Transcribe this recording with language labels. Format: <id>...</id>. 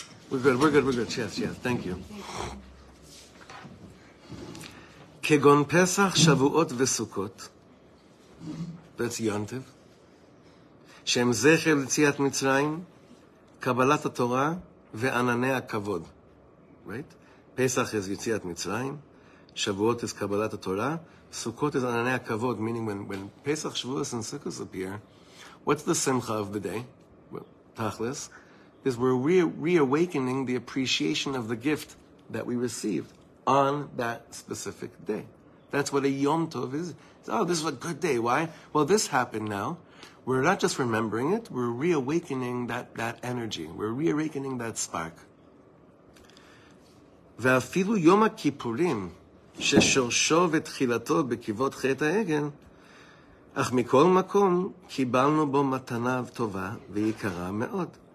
<en>We're good. Yes. Thank you.</en> <he>כגון פסח, שבועות וסוכות,</he> <en>that's Yomtov,</en> <he>שהם זכר ליציאת מצרים, קבלת התורה וענני הכבוד.</he> <en>Right? Pesach is Yitziat Mitzrayim, Shavuot is Kabbalat HaTorah, Sukkot is Ananei HaKavod, meaning when Pesach, Shavuot, and Sukkot appear, what's the Simcha of the day? Well, Tachlis, is we're reawakening the appreciation of the gift that we received on that specific day. That's what a Yom Tov is. It's, oh, this is a good day. Why? Well, this happened now. We're not just remembering it, we're reawakening that energy. We're reawakening that spark.</en> <he>ואפילו יום הכיפורים ששורשו ותחילתו בכיבוד חטא העגל, אך מכל מקום קיבלנו בו מתנה טובה ויקרה מאוד.</he>